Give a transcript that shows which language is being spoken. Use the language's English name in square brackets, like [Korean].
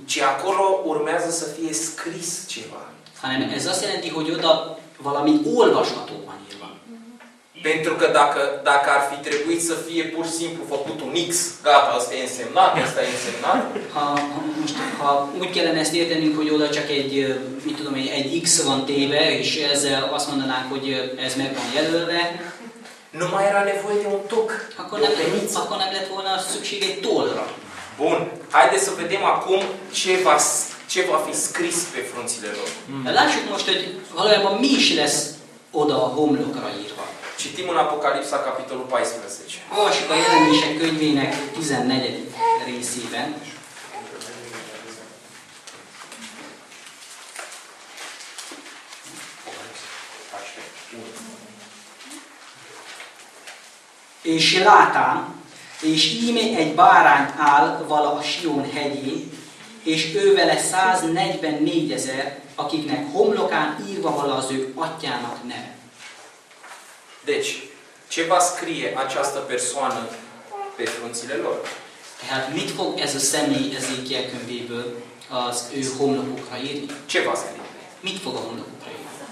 [Romanian] Ci acolo urmează să fie scris ceva. [Hungarian] Hanem ez azt jelenti, hogy oda valami olvasható van írva. [Romanian] Pentru că dacă ar fi trebuit să fie pur și simplu făcut un X, gata, asta e însemnat, asta e însemnat. [Hungarian] Ha úgy kellene ezt értenünk, hogy oda csak egy, mit tudom, egy X van téve, és ezzel azt mondanánk, hogy ez meg van jelölve. [Romanian] Nu mai era nevoie de un toc. [Hungarian] Akkor nem lett volna szükség egy tollra. [Romanian] Bun, haideți să vedem acum ce va fi scris pe frunțile lor. [Hungarian] Lássuk most, hogy valójában mi is lesz oda a homlokra írva. [Romanian] Citim în Apocalipsa, capitolul 14. O, și pe [Hungarian] Jelenések könyvének 14. részében. És látám, és íme egy bárány áll vala a Sion hegyén, és ő vele 144 ezer, akiknek homlokán írva vala az ő atyának neve. [Romanian] Deci, ce va scrie această persoană pe frunțile lor? [Hungarian] Tehát mit fog ez a személy Ezékiel könyvéből az ő homlokukra írni? [Romanian] Ce va scrie? [Hungarian] Mit fog a homlokukra írni?